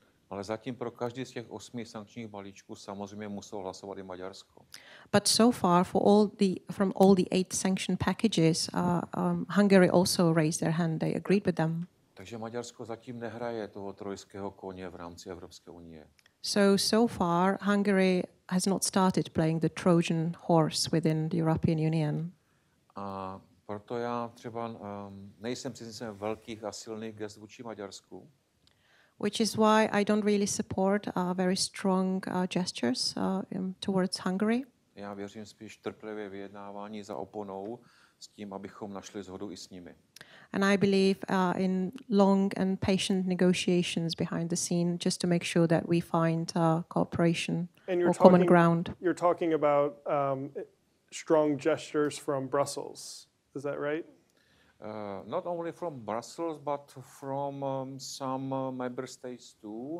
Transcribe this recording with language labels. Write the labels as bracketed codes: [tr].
[cs] Ale zatím pro každý z těch 8 sankčních balíčků samozřejmě muselo hlasovat i Maďarsko. [en] But so far from all the 8 sanction packages, Hungary also raised their hand. They agreed with them. [cs] Takže Maďarsko zatím nehraje toho trojského koně v rámci Evropské unie. [en] So far Hungary has not started playing the Trojan horse within the European Union. [cs] A proto já třeba nejsem příznivcem velkých a silných gest vůči Maďarsku. [en] Which is why I don't really support very strong gestures towards Hungary. [cs] Já věřím spíš trpělivě vyjednávání za oponou s tím, abychom našli shodu i s nimi. [en] And I believe in long and patient negotiations behind the scene just to make sure that we find cooperation and or common ground. You're talking about strong gestures from Brussels, is that right? Not only from Brussels, but from some member states too.